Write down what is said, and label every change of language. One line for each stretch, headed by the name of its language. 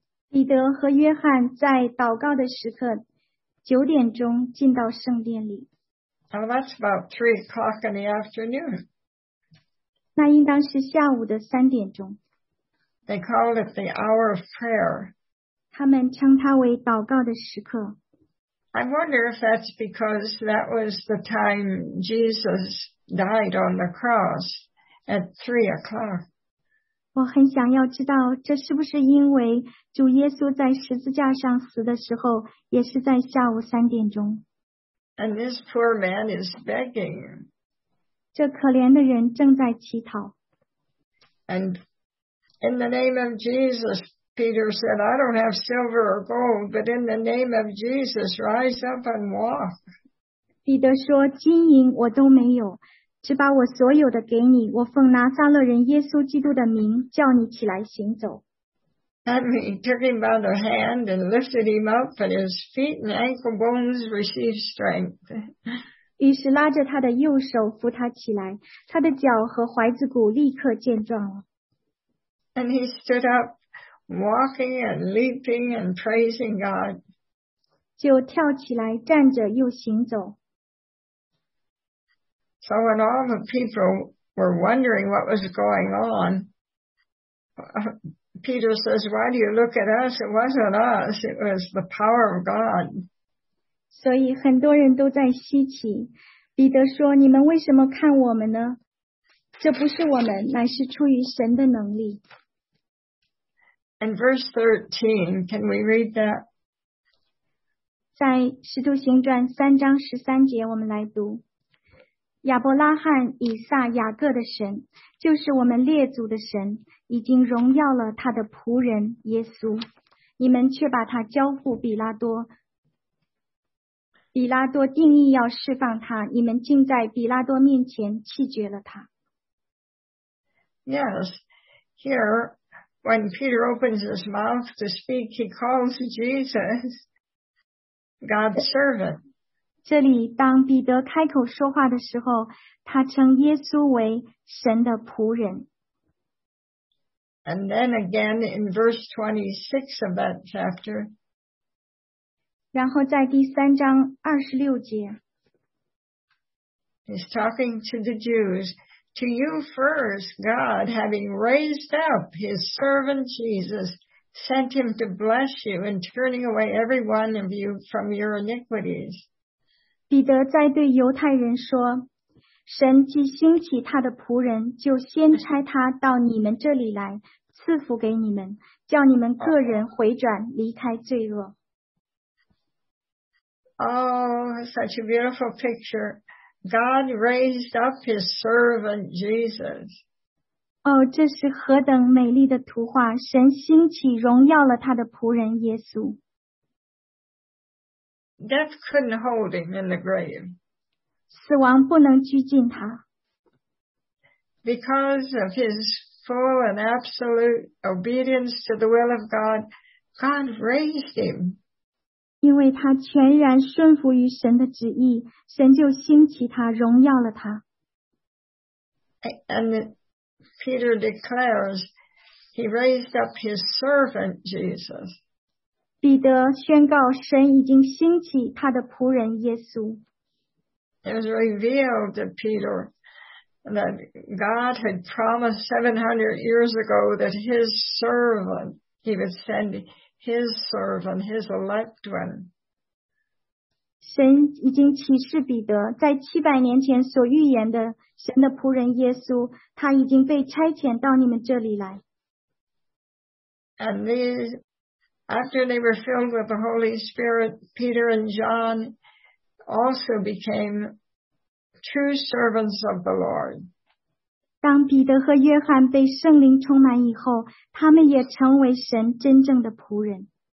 Chinese: 彼得和约翰在祷告的时刻，九点钟进到圣殿里。
English: Now that's about 3 o'clock in the afternoon.
Chinese: 那应当是下午的三点钟。
English: They called it the hour of prayer.
Chinese: 他们称它为祷告的时刻。
English: I wonder if that's because that was the time Jesus died on the cross at 3 o'clock.
Chinese: 我很想要知道这是不是因为主耶稣在十字架上死的时候也是在下午三点钟。
English: And this poor man is begging.
Chinese: 这可怜的人正在乞讨。
English: And in the name of Jesus,Peter said, I don't have silver or gold, but in the name of Jesus, rise up and walk.
Chinese: 彼得说，金银我都没有，只把我所有的给你，我奉拿撒勒人耶稣基督的名，叫你起来行走。
English: And he took him by the hand and lifted him up, and his feet and ankle bones received strength.
Chinese: 于是拉着他的右手扶他起来，他的脚和踝子骨立刻健壮了。
English: And he stood up. Walking and leaping and praising God.
Chinese: 就跳起来站着又行走。
English: So when all the people were wondering what was going on, Peter says, why do you look at us? It wasn't us, it was the power of God.
Chinese: 所以很多人都在稀奇。彼得说，你们为什么看我们呢？这不是我们，乃是出于神的能力。
English: And verse 13, can we read that?
Chinese: 在使徒行传三章十三节，我们来读：亚伯拉罕、以撒、雅各的神，就是我们列祖的神，已经荣耀了他的仆人耶稣，你们却把他交付比拉多。比拉多定义要释放他，你们竟在比拉多面前弃绝了他。
English: Yes, here when Peter opens his mouth to speak, he calls Jesus God's servant.
Chinese: 这里当彼得开口说话的时候，他称耶稣为神的仆人。
English: And then again in verse 26 of that chapter.
Chinese: 然后在第三章二十六节。
English: He's talking to the Jews. To you first, God, having raised up his servant Jesus, sent him to bless you in turning away every one of you from your iniquities.
Chinese: 彼得在对犹太人说，神既兴起他的仆人，就先差他到你们这里来，赐福给你们，叫你们个人回转，离开罪恶。
English: Oh, such a beautiful picture. God raised up his servant Jesus.
Chinese: 哦，这是何等美丽的图画！神兴起，荣耀了他的仆人耶稣。
English: Death couldn't hold him in the grave.
Chinese: 死亡不能拘禁他。
English: Because of his full and absolute obedience to the will of God, God raised him.
Chinese: 因为他全然顺服于神的旨意，神就兴起他，荣耀了他。
English: And Peter declares, he raised up his servant Jesus.
Chinese: 彼得宣告神已经兴起他的仆人耶稣。
English: It was revealed to Peter that God had promised 700 years ago that his servant, he would send his servant, his elect one.
Chinese: 神已经启示彼得，在700年前所预言的神的仆人耶稣，他已经被差遣到你们这里来。
English: And after they were filled with the Holy Spirit, Peter and John also became true servants of the Lord.
Chinese: 当彼得和约翰被圣灵充满以后，他们也成为神真正的仆人。